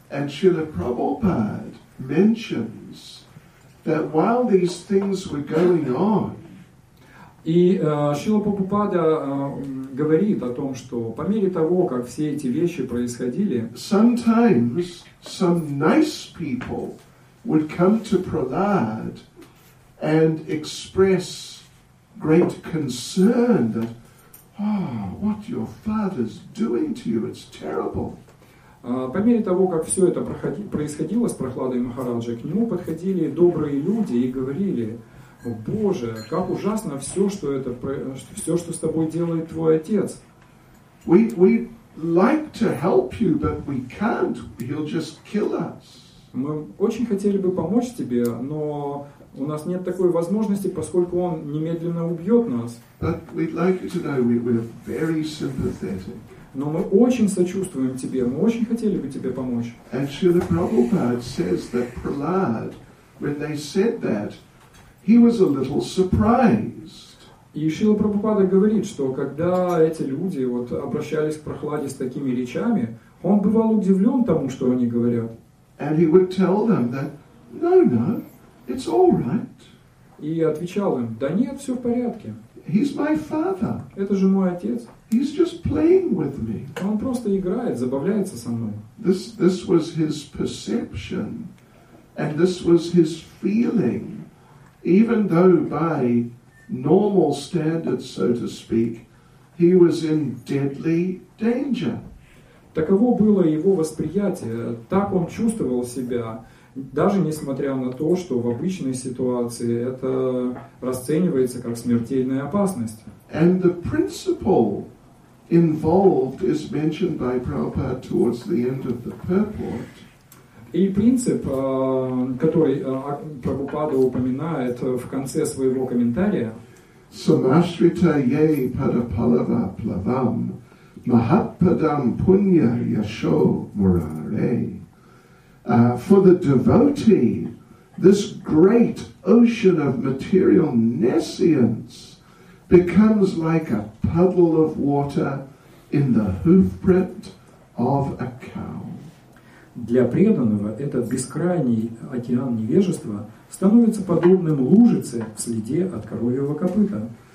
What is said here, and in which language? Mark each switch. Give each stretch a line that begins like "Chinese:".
English: And Srila Prabhupada mentions that while these things were going on,
Russian: и Шрила Прабхупада говорит о том, что по мере того, как все эти вещи происходили,
English: sometimes some nice people would come to Prahlad and express great concern that, oh, what your father's doing to you, it's terrible.
Russian: По мере того, как все это происходило с Прохладой Махараджи, к нему подходили добрые люди и говорили, о Боже, как ужасно все, что это, все, что с тобой делает твой отец.
English: We like to help you, but we can't. He'll just kill us.
Russian: Мы очень хотели бы помочь тебе, но у нас нет такой возможности, поскольку он немедленно убьет нас.
English: But we'd like you to know we're very sympathetic.
Russian: Но мы очень сочувствуем тебе, мы очень хотели бы тебе помочь.
English: And Srila Prabhupada says that Prahlad, when they said that, he was a little surprised.
Russian: И Шрила Прабхупада говорит, что когда эти люди вот обращались к Прохладе с такими речами, он бывал удивлен тому, что они говорят.
English: And he would tell them that, no, no, it's all right.
Russian: И отвечал им, да нет, все в порядке.
English: He's my father.
Russian: Это же мой отец.
English: He's just playing with me.
Russian: Он просто играет, забавляется со мной.
English: This was his perception, and this was his feeling, even though by normal standards, so to speak, he was in deadly danger.
Russian: Таково было его восприятие. Так он чувствовал себя, даже несмотря на то, что в обычной ситуации это расценивается как смертельная опасность.
English: And the principle involved is mentioned by Prabhupada towards the end of the purport.
Russian: И принцип, который Прабхупада упоминает в конце своего комментария.
Sanskrit: Самаштрита е падапалава плавам. Mahapadam punya yasho murare.
English: For the devotee, this great ocean of material nescience becomes like a puddle of water in the hoofprint of a cow.
Russian: Для преданного этот бескрайний океан невежества становится подобным лужице в следе от коровьего копыта.